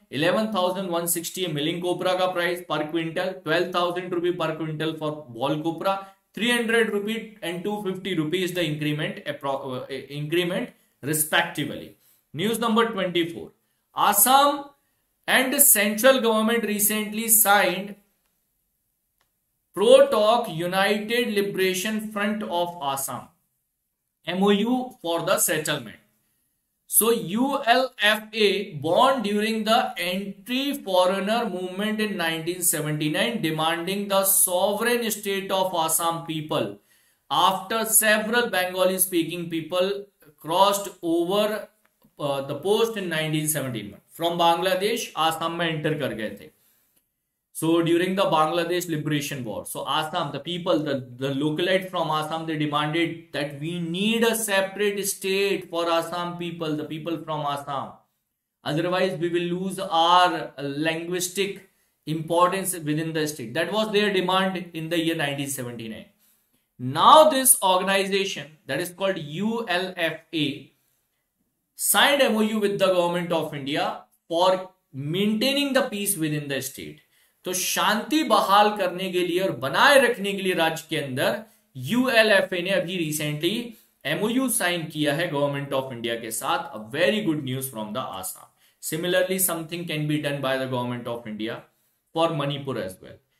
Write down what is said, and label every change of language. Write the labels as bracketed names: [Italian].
[English] 11,160 [Hindi] है मिलिंग कोपरा का प्राइस पर क्विंटल, [English] 12,000 rupee per quintal for ball copra, 300 rupee and 250 rupee is the increment respectively. News number 24, Assam and central government recently signed pro talk United Liberation Front of Assam MOU for the settlement. So ULFA born during the entry foreigner movement in 1979 demanding the sovereign state of Assam people after several Bengali speaking people crossed over the post in 1979 from Bangladesh Assam [Hindi] mein enter kar gaye the. [English] So during the Bangladesh liberation war, so Assam the people the localite from Assam they demanded that we need a separate state for Assam people, the people from Assam, otherwise we will lose our linguistic importance within the state. That was their demand in the year 1979. Now this organization that is called ULFA signed MOU with the government of India for maintaining the peace within the state. [Hindi] तो शांति बहाल करने के लिए और बनाए रखने के लिए राज्य के अंदर यूएलएफए ने अभी रिसेंटली एमओयू साइन किया है गवर्नमेंट ऑफ इंडिया के साथ। [English] A very good news from the Assam. Similarly something can be done by the government of India for Manipur as well.